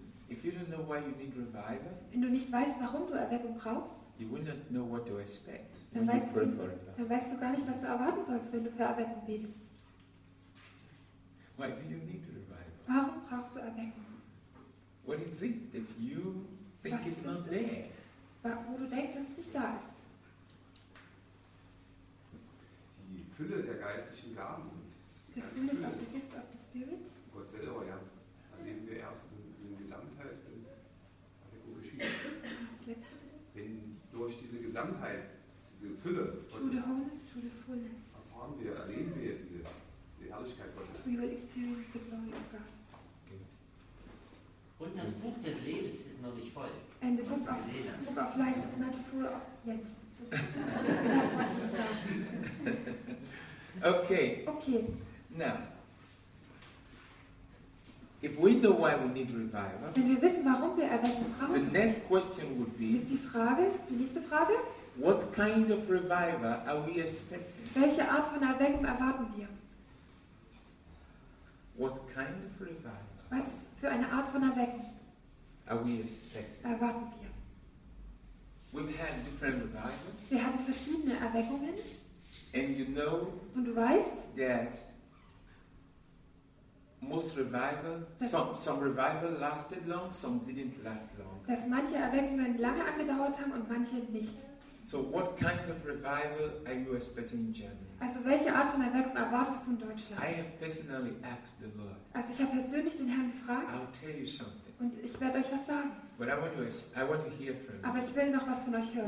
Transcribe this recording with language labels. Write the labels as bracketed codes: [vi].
[de] Wenn du nicht weißt, warum du Erweckung brauchst, dann weißt du gar nicht, was du erwarten sollst, wenn du für Erweckung betest. Warum brauchst du Erweckung? [en] What is it that you think [de] was [en] is not there? [de] Wo du denkst, dass es nicht da ist. Die Fülle der geistlichen Gaben. [en] The fullness of the gifts of the Spirit. [de] Gott selber, ja. Erleben wir erst in Gesamtheit, wenn Erweckung geschieht. Das letzte bitte. Wenn durch diese Gesamtheit, diese Fülle. [en] To the wholeness, to the fullness. [de] Erfahren wir, erleben wir diese Herrlichkeit Gottes. [en] We will experience the glory of God. [de] Und das Buch des Lebens ist noch nicht voll. [en] And the book of life is not full of yet. That's what he said. Okay. Okay. Now, if we know why we need revival, [de] wenn wir wissen, warum wir Erweckung brauchen, [en] the next question would be, [de] ist die nächste Frage, [en] what kind of revival are we expecting? [de] Welche Art von Erweckung erwarten wir? [en] What kind of revival? [de] Was für eine Art von Erweckung erwarten wir? [en] We've had different revivals. [de] Wir hatten verschiedene Erweckungen. [en] And you know, [de] und du weißt, [en] that most revival, some revival lasted long, some didn't last long. [de] Dass manche Erweckungen lange angedauert haben und manche nicht. [en] So what kind of revival are you expecting in Germany? [de] Also welche Art von Erweckung erwartest du in Deutschland? [en] I have personally asked the Lord. [de] Also ich habe persönlich den Herrn gefragt. [en] I'll tell you something. [de] Und ich werde euch was sagen. [en] But I want to hear from you. [de] Aber ich will noch was von euch hören.